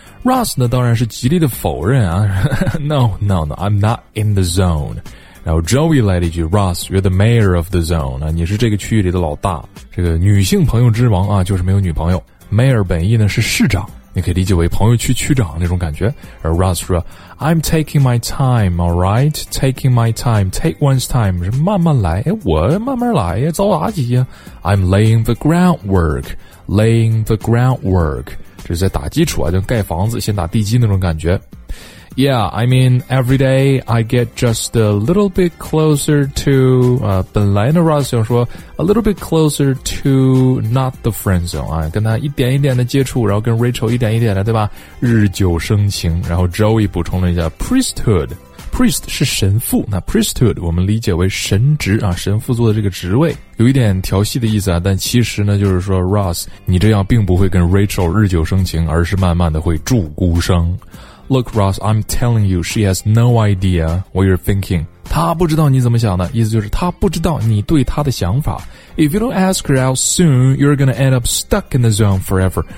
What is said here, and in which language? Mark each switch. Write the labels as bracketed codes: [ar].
[zh] Ross 呢当然是极力的否认啊 [en] No, I'm not in the zone. [zh] 然后 Joey 来了一句 [en] Ross, you're the mayor of the zone、 [zh] 啊、你是这个区域里的老大，这个女性朋友之王啊，就是没有女朋友。 Mayor 本意呢是市长，你可以理解为朋友区区长那种感觉。而 Ross 说 [en] I'm taking my time, alright? Taking my time, take one's time [zh] 是慢慢来，诶我慢慢来走哪几呀。 [en] I'm laying the groundwork [zh] 就是在打基础啊，就盖房子先打地基那种感觉。 [en] Yeah, I mean, every day I get just a little bit closer to, [zh] 本来呢 Ross 想说 [en] a little bit closer to not the friend zone, [zh] 啊跟他一点一点的接触，然后跟 Rachel 一点一点的，对吧，日久生情。然后 Joey 补充了一下 priesthood。Priest 是神父，那 priesthood 我们理解为神职啊，神父做的这个职位，有一点调戏的意思啊，但其实呢就是说 Ross 你这样并不会跟 Rachel 日久生情，而是慢慢的会住孤生。 [en] Look Ross, I'm telling you, she has no idea what you're thinking. [zh] 她不知道你怎么想的，意思就是她不知道你对她的想法。 [en] If you don't ask her out soon, you're gonna end up stuck in the zone forever.